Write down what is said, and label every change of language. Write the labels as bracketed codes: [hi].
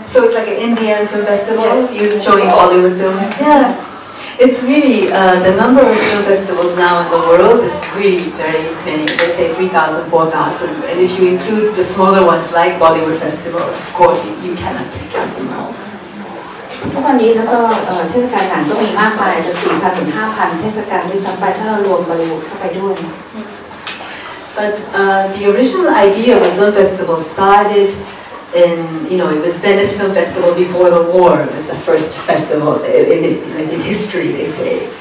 [en] So it's like an Indian film festival? Yes. You're showing Bollywood films? Yeah. It's really, the number of film festivals now in the world is really very many. They say 3,000, 4,000. And if you include the smaller ones like Bollywood Festival, of course, you cannot count them all. [th] ทุกวันนี้แล้วก็เทศกาลต่างก็มีมากมายจะ 4,000 ถึง 5,000 เทศกาลด้วยซ้ำไปถ้าเรารวมบอลิวูดเข้าไปด้วย [en] But the original idea of a film festival started in, you know, it was Venice Film Festival before the war. It was the first festival in history, they say.